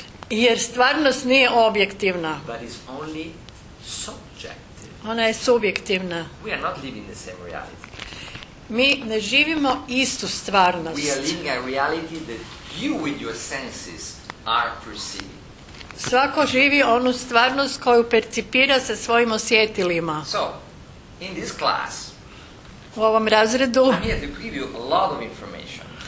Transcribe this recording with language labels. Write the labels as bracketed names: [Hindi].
[Croatian] Jer stvarnost nije objektivna. [English] But it's only subjective. [Croatian] Ona je subjektivna. [English] We are not living the same reality. [Croatian] Mi ne živimo istu stvarnost. [English] We are living a reality that you with your senses are perceiving. [Croatian] Svako živi onu stvarnost koju percipira sa svojim osjetilima. [English] So, in this class, [Croatian] u ovom razredu, [English] I'm here to give you a lot of information.